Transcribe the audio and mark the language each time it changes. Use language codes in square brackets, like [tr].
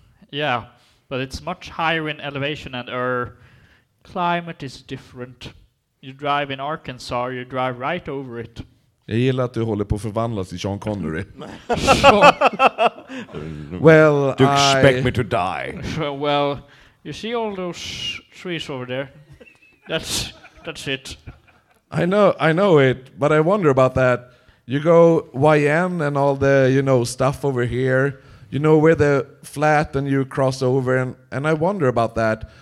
[en] Yeah, but it's much higher in elevation and air. Climate is different. You drive in Arkansas, you drive right over it. [sv] Jag gillar att du håller på att förvandlas till Sean Connery. [en] Well, do you expect me to die? Well, you see all those trees over there? That's it. I know it, but I wonder about that. You go YN and all the, you know, stuff over here. You know where the flat and you cross over, and I wonder about that.